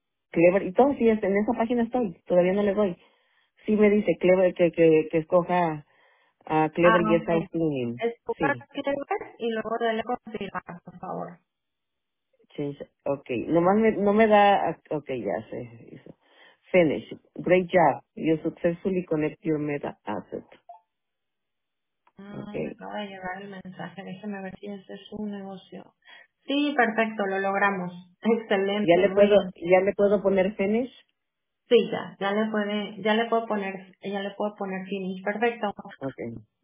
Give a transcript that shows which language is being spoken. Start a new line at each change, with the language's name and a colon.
Spanish: Clever, y todo, sí, en esa página estoy, todavía no le doy. Sí me dice Clever, que escoja a Clever y está en Clever, y luego dele confirmar, por favor. Sí, ok, nomás no me da, ok, ya sé.
English: Finish, great job, you successfully connect your meta asset.
Spanish: Acaba de llegar el mensaje, déjeme ver si ese es un negocio. Sí, perfecto, lo logramos. Excelente. ¿Ya le puedo poner finish? Sí, ya le puedo poner finish. Perfecto. Okay.